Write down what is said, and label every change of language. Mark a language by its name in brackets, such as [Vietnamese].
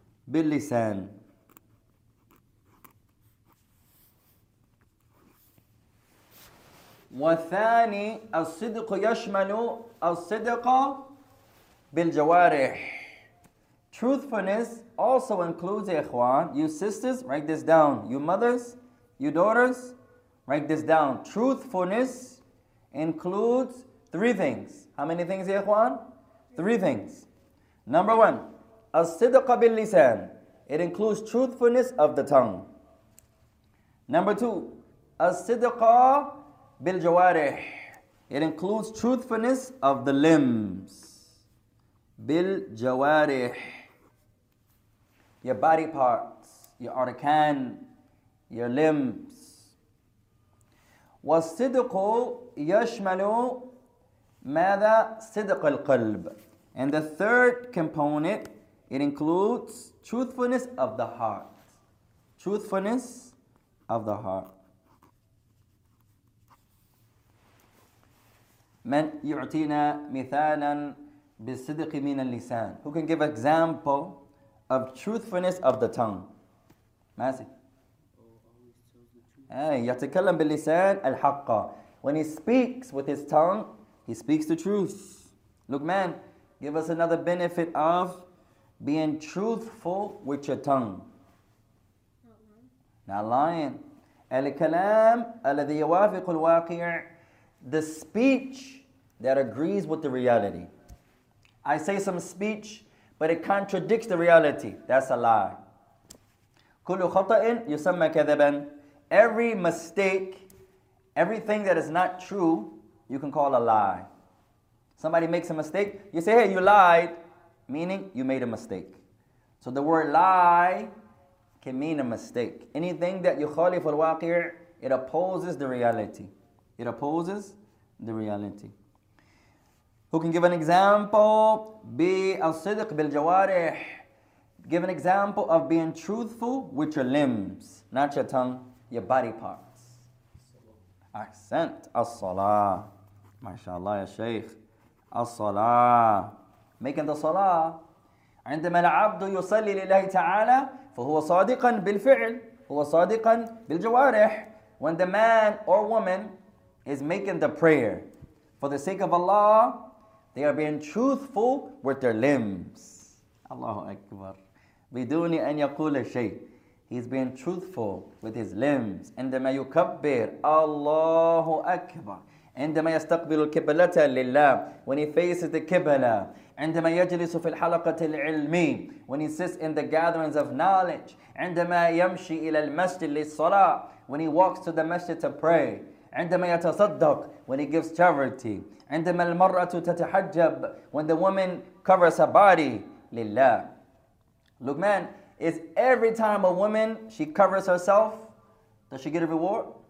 [Arabic] باللسان. والثاني الصدق يشمل الصدق بالجوارح. [English] Truthfulness also includes, [Arabic] إخوان, [English] you sisters, write this down. You mothers, you daughters, write this down. Truthfulness includes three things. How many things, إخوان? Three things. Number one, [Arabic] الصدق باللسان. [English] It includes truthfulness of the tongue. Number two, [Arabic] الصدق بالجوارح. [English] It includes truthfulness of the limbs. [Arabic] بالجوارح. [English] Your body parts, your arcan, your limbs. [Arabic] والصدق يشمل ماذا صدق القلب. [English] And the third component, it includes truthfulness of the heart. Truthfulness of the heart. [Arabic] من يعطينا مثالا بالصدق من اللسان. [English] Who can give example of truthfulness of the tongue? ماسي. [Arabic] يتكلم باللسان الحق. [English] When he speaks with his tongue, he speaks the truth. Luqman, give us another benefit of being truthful with your tongue. Not lying. [Arabic] الكلام الذي يوافق الواقع. [English] The speech that agrees with the reality. I say some speech, but it contradicts the reality. That's a lie. [Arabic] كل خطأ يسمى كذبا. [English] Every mistake, everything that is not true, you can call a lie. Somebody makes a mistake, you say, hey, you lied. Meaning, you made a mistake. So the word lie can mean a mistake. Anything that [Arabic] يخالف الواقع, [English] it opposes the reality. It opposes the reality. Who can give an example? Be [Arabic] الصدق بالجوارح. [English] Give an example of being truthful with your limbs, not your tongue, your body parts. Accent. As-salah. MashaAllah, ya Shaykh. As-salah. Making the salah. [Arabic] عندما العبد يصلي لله تعالى فهو صادقا بالفعل. هو صادقا بالجوارح. [English] When the man or woman is making the prayer for the sake of Allah, they are being truthful with their limbs. Allahu Akbar. [Arabic] بدون أن يقول شيء. [English] He's being truthful with his limbs. [Arabic] عندما يكبر Allahu Akbar. عندما يستقبل القبلة لله. [English] When he faces the Qibla. [Arabic] عندما يجلس في الحلقة العلمية. [English] When he sits in the gatherings of knowledge. [Arabic] عندما يمشي إلى المسجد للصلاة. [English] When he walks to the masjid to pray. [Arabic] عندما يتصدق. [English] When he gives charity. [Arabic] عندما المرأة تتحجب. [English] When the woman covers her body. لله. Look, man, is every time a woman, she covers herself, does she get a reward?